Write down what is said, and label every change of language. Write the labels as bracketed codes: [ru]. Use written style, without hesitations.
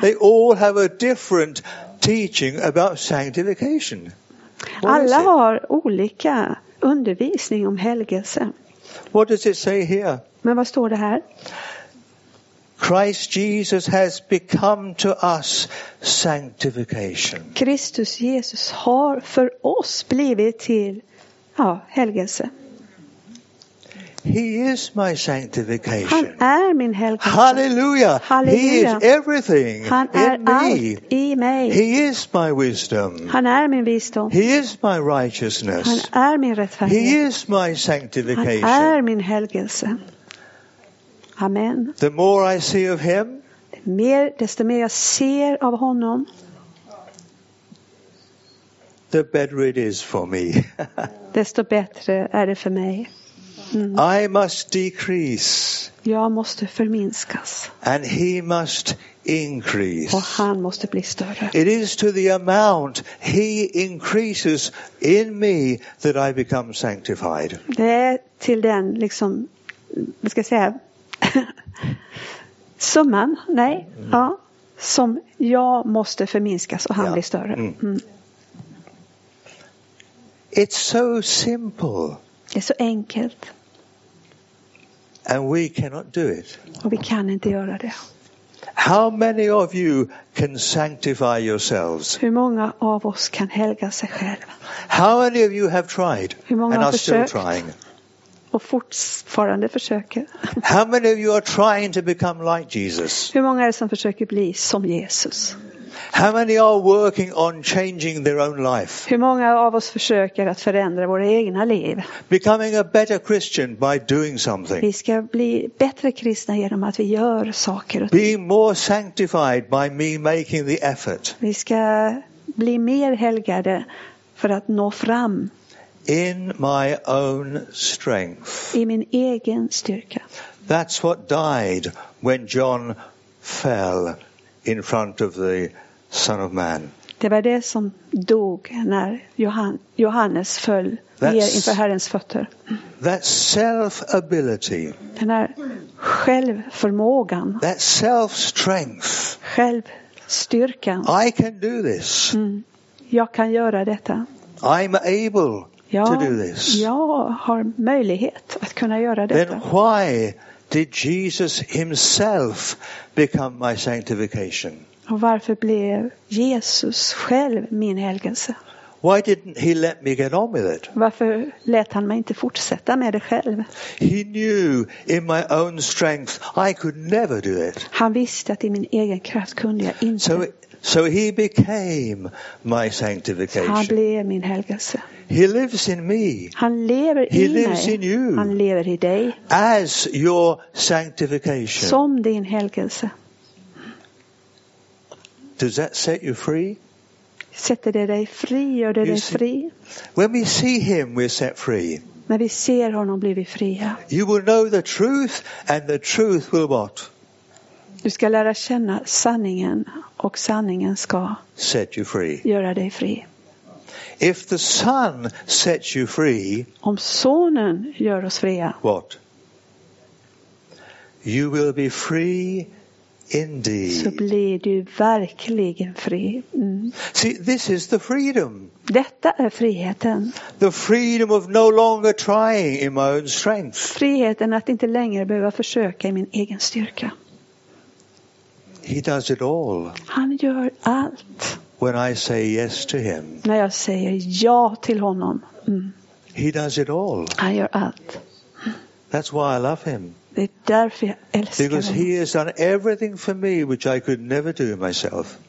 [en] They all have a different teaching about sanctification. [sv] Alla har olika undervisning om helgelse. [en] What does it say here? [sv] Men vad står det här? [en] Christ Jesus has become to us sanctification. [sv] Kristus Jesus har för oss blivit till helgelse. [en] He is my sanctification. [sv] Han är min helgelse. [en] Hallelujah. [sv] Halleluja. [en] He is everything [sv] Han är [en] in [sv] allt [en] me. [sv] I mig. [en] He is my wisdom. [sv] Han är min visdom. [en] He is my righteousness. [sv] Han är min rättfärdighet. [en] He is my sanctification. [sv] Han är min helgelse. Amen. [en] The more I see of him, [sv] desto mer jag ser av honom, [en] the better it is for me. [sv] Desto bättre är det för mig. [en] Mm. I must decrease. [sv] Jag måste förminskas. [en] And he must increase. [sv] Och han måste bli större. [en] It is to the amount he increases in me that I become sanctified. [sv] Det är till den liksom, vad ska jag säga? Summan, nej, ja, som jag måste förminskas och han blir större. Mm. [en] It's so simple. [sv] Det är så enkelt. [en] And we cannot do it. [sv] Och vi kan inte göra det. [en] How many of you can sanctify yourselves? [sv] Hur många av oss kan helga sig själv? [en] How many of you have tried and are still trying? [sv] Och fortfarande försöker. [en] How many of you are trying to become like Jesus? [sv] Hur många är det som försöker bli som Jesus? [en] How many are working on changing their own life? [sv] Hur många av oss försöker att förändra våra egna liv? [en] Becoming a better Christian by doing something. [sv] Vi ska bli bättre kristna genom att vi gör saker. [en] Being more sanctified by me making the effort. [sv] Vi ska bli mer helgade för att nå fram. [en] In my own strength. [sv] I min egen styrka. [en] That's what died when John fell in front of the Son of Man. [sv] Det var det som dog när Johannes föll ner inför Herrens fötter. [en] That self-ability. [sv] Den här självförmågan. [en] That self-strength. [sv] Självstyrkan. [en] I can do this. [sv] Mm. Jag kan göra detta. [en] I'm able. [sv] Ja, [en] to do this. [sv] Jag har möjlighet att kunna göra detta. [en] Then why did Jesus himself become my sanctification? [sv] Och varför blev Jesus själv min helgelse? [en] Why didn't he let me get on with it? [sv] Varför lät han mig inte fortsätta med det själv? [en] He knew in my own strength I could never do it. [sv] Han visste att i min egen kraft kunde jag inte. [en] So he became my sanctification. [sv] Han blev min helgelse. [en] He lives in me. [sv] Han lever [en] he [sv] i [en] lives [sv] mig. [en] In you. [sv] Han lever i dig. [en] As your sanctification. [sv] Som din helgelse. [en] Does that set you free? [sv] Sätter det dig fri? Gör det dig fri? [en] When we see him, we're set free. [sv] När vi ser honom blir vi fria. [en] You will know the truth, and the truth will what? [sv] Du ska lära känna sanningen, och sanningen ska [en] set you free. [sv] Göra dig fri. [en] If the Son sets you free, [sv] om sonen gör oss fria, [en] what? You will be free indeed. [sv] Så blir du verkligen fri. Mm. [en] See, this is the freedom. [sv] Detta är friheten. [en] The freedom of no longer trying in my own strength. [sv] Friheten att inte längre behöva försöka i min egen styrka. [en] He does it all. [sv] Han gör allt. [en] When I say yes to him. [sv] När jag säger ja till honom. Mm. [en] He does it all. [sv] Han gör allt. [en] That's why I love him. [sv] Det är därför jag älskar [en] Because [sv] honom. [en] Because he has done everything for me which I could never do myself.